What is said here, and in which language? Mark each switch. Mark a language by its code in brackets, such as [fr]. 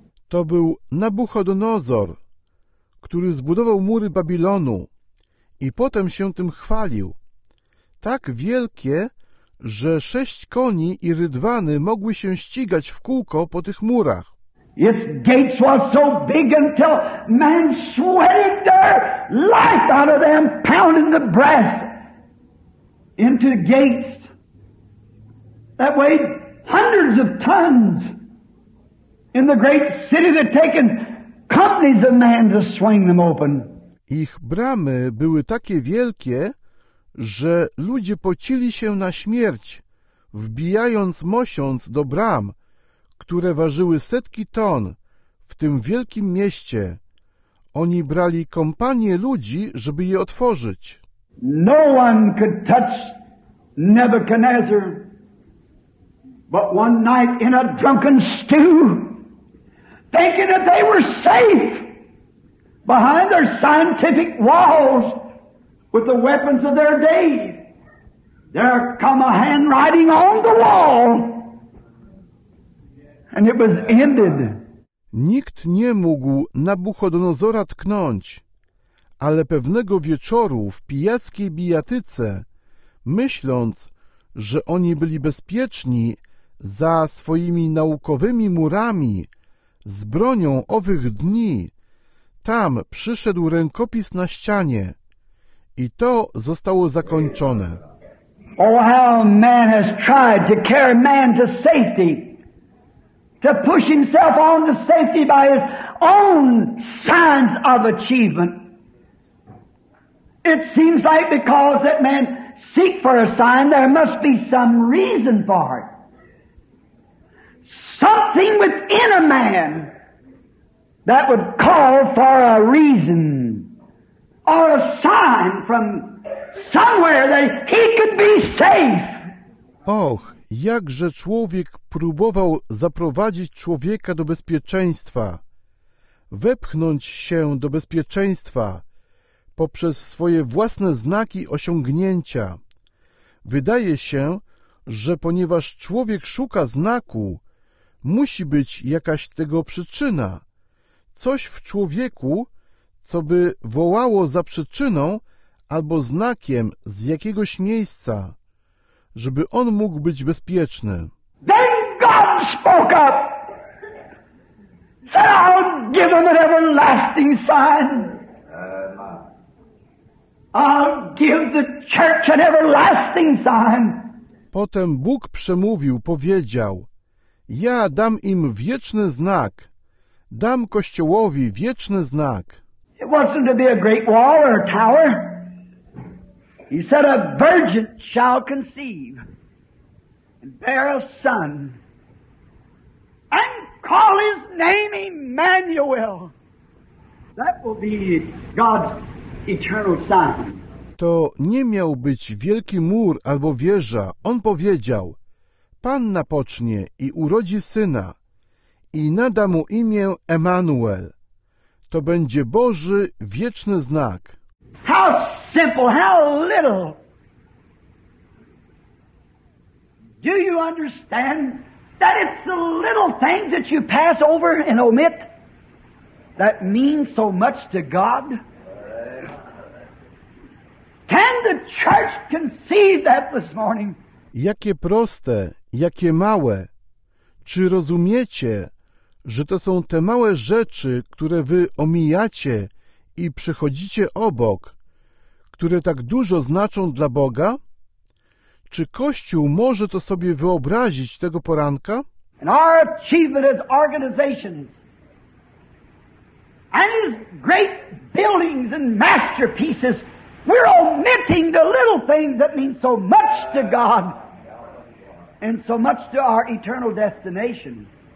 [pl] To był Nabuchodonozor, który zbudował mury Babilonu i potem się tym chwalił. Tak wielkie, że sześć koni i rydwany mogły się ścigać w kółko po tych murach. [en] Its gates were so big until men sweated their life out of them, pounding the brass into the gates that weighed hundreds of tons. In the great city they'd taken companies of men to swing them open. [pl] Ich bramy były takie wielkie, że ludzie pocili się na śmierć, wbijając mosiąc do bram, które ważyły setki ton w tym wielkim mieście. Oni brali kompanię ludzi, żeby je otworzyć. [en] No one could touch Nebuchadnezzar. But one night in a drunken stew, thinking that they were safe behind their scientific walls, with the weapons of their days. There come a handwriting on the wall, and it was ended. [pl] Nikt nie mógł Nabuchodonozora tknąć, ale pewnego wieczoru w pijackiej bijatyce, myśląc, że oni byli bezpieczni za swoimi naukowymi murami, z bronią owych dni, tam przyszedł rękopis na ścianie i to zostało zakończone. [en] Oh, how man has tried to carry man to safety, to push himself on to safety by his own signs of achievement. It seems like because that man seek for a sign, there must be some reason for it. Something within a man that would call for a reason or a sign from somewhere that he could be safe. [pl] Och, jakże człowiek próbował zaprowadzić człowieka do bezpieczeństwa, wepchnąć się do bezpieczeństwa poprzez swoje własne znaki osiągnięcia. Wydaje się, że ponieważ człowiek szuka znaku, musi być jakaś tego przyczyna, coś w człowieku, co by wołało za przyczyną albo znakiem z jakiegoś miejsca, żeby on mógł być bezpieczny. [en] Then God spoke up, said, I'll give him an everlasting sign. I'll give the church an everlasting sign. [pl] Potem Bóg przemówił, powiedział, ja dam im wieczny znak, dam Kościołowi wieczny znak. [en] It wasn't to be a great wall or a tower. He said, a virgin shall conceive and bear a son and call his name Emmanuel. That will be God's eternal sign. [pl] To nie miał być wielki mur albo wieża. On powiedział, Panna pocznie i urodzi syna i nada mu imię Emmanuel. To będzie Boży wieczny znak. [en] How simple, how little. Do you understand that it's the little things that you pass over and omit that means so much to God? Can the church conceive that this morning? [pl] Jakie proste, jakie małe. Czy rozumiecie, że to są te małe rzeczy, które wy omijacie i przechodzicie obok, które tak dużo znaczą dla Boga? Czy Kościół może to sobie wyobrazić tego poranka? [en] And our achievement as organizations and as great buildings and masterpieces, we're omitting the little things that mean so much to God and so much to our eternal destination.